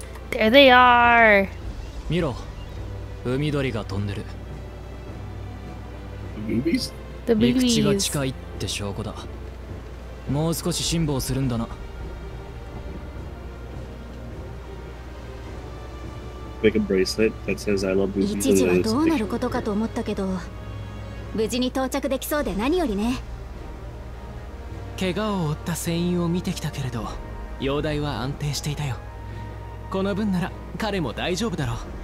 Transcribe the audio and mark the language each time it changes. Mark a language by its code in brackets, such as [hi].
[en] There they are! [ja] 見ろ、海鳥が飛んでる。 [en] The boobies? [ja] 陸地が近いって証拠だ。もう少し辛抱するんだな。 [en] Make a bracelet that says I love boobies. [ja] 一時はどうなることかと思ったけど。無事に到着できそうで何よりね。怪我を負った船員を見てきたけれど、容態は安定していたよ。この分なら彼も大丈夫だろう。